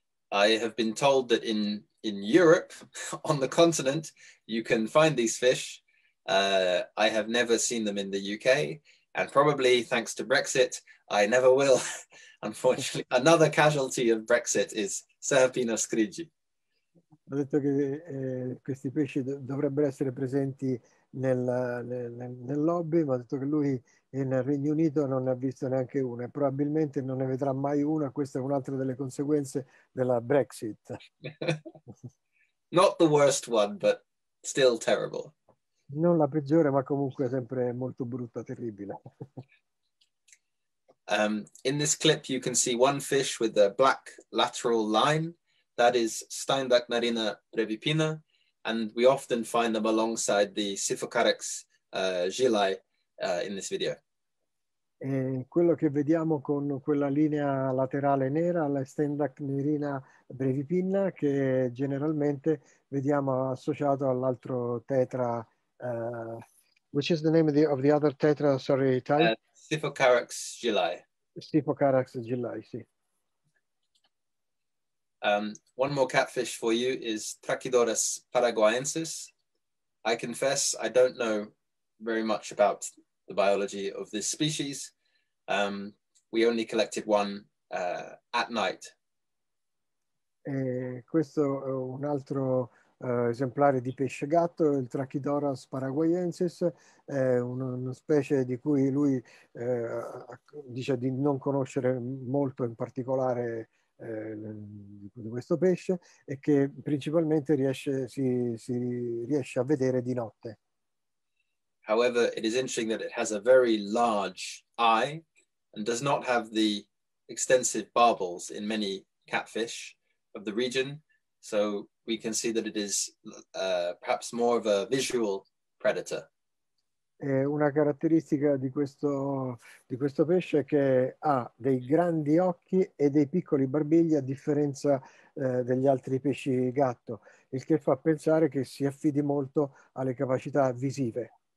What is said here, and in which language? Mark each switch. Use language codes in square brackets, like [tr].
[en] I have been told that in Europe, on the continent, you can find these fish. I have never seen them in the UK, and probably thanks to Brexit, I never will. Unfortunately, another casualty of Brexit is Serpinus grigi. [it] Ho detto che questi pesci dovrebbero essere presenti nel lobby, ma ho detto che lui nel Regno Unito non ne ha visto neanche uno, e probabilmente non ne vedrà mai una. Questa è un'altra delle conseguenze della Brexit. [en] Not the worst one, but still terrible. [it] Non la peggiore, ma comunque sempre molto brutta, terribile. [en] In this clip you can see one fish with a black lateral line. That is Steinbach marina brevipinna, and we often find them alongside the Siphocarex gilae in this video. [it] E quello che vediamo con quella linea laterale nera, la Steinbach marina brevipinna, che generalmente vediamo associato all'altro tetra. [en] Which is the name of the other tetra? Sorry, Italian? Siphocarex gilae. [it] Siphocarex gilae, sì. [en] One more catfish for you is Trachydorus paraguayensis. I confess I don't know very much about the biology of this species. We only collected one at night. [it] Questo è un altro esemplare di pesce gatto, il Trachydorus paraguayensis, è una specie di cui lui dice di non conoscere molto in particolare di questo pesce, e che principalmente si riesce a vedere di notte. [en] However, it is interesting that it has a very large eye and does not have the extensive barbels in many catfish of the region, so we can see that it is perhaps more of a visual predator. [it] Una caratteristica di questo pesce è che ha dei grandi occhi e dei piccoli barbigli, a differenza degli altri pesci gatto, il che fa pensare che si affidi molto alle capacità visive.